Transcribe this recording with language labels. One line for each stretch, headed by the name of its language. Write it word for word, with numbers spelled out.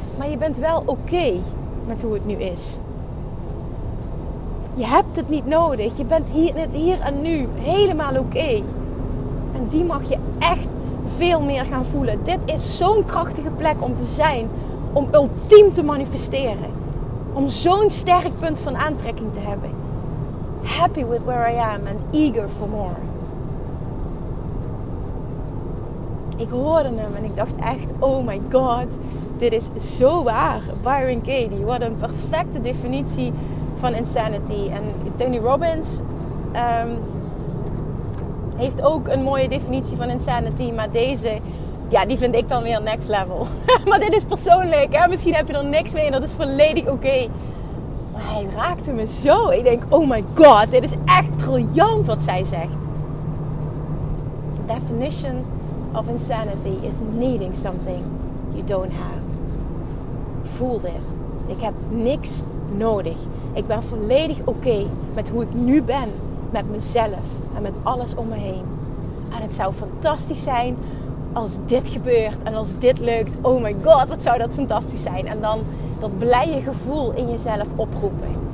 Dutch: Maar je bent wel oké met hoe het nu is. Je hebt het niet nodig. Je bent hier, net hier en nu helemaal oké. En die mag je echt veel meer gaan voelen. Dit is zo'n krachtige plek om te zijn. Om ultiem te manifesteren. Om zo'n sterk punt van aantrekking te hebben.
English: Happy with where I am and eager for more.
Dutch: Ik hoorde hem en ik dacht echt,
English: oh my god,
Dutch: dit is zo waar. Byron Katie, wat een perfecte definitie van insanity. En Tony Robbins um, heeft ook een mooie definitie van insanity. Maar deze, ja, die vind ik dan weer next level. Maar dit is persoonlijk, hè? Misschien heb je er niks mee en dat is volledig oké. Okay. Maar hij raakte me zo. Ik denk,
English: oh my god,
Dutch: dit is echt briljant wat zij zegt.
English: The definition of insanity is needing something you don't have.
Dutch: Voel dit. Ik heb niks nodig. Ik ben volledig oké met hoe ik nu ben. Met mezelf en met alles om me heen. En het zou fantastisch zijn als dit gebeurt. En als dit lukt. Oh my god, wat zou dat fantastisch zijn. En dan dat blije gevoel in jezelf oproepen.